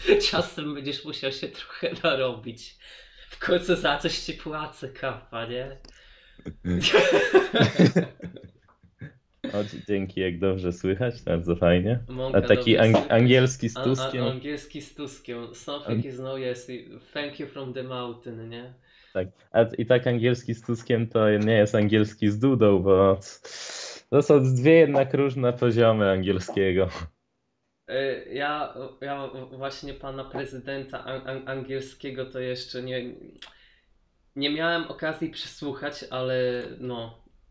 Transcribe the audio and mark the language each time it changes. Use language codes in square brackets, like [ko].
[pl] Czasem będziesz musiał się trochę narobić. W końcu za coś ci płacę, kapa, nie? O, dzięki, jak dobrze słychać, bardzo fajnie. Mąka, a taki angielski z Tuskiem. Angielski z Tuskiem. [en] Something is no yes. Thank you from the mountain, nie? [pl] Tak. A i tak angielski z Tuskiem to nie jest angielski z Dudą, bo to są dwie jednak różne poziomy angielskiego. Ja właśnie pana prezydenta angielskiego to jeszcze nie miałem okazji przesłuchać, ale no.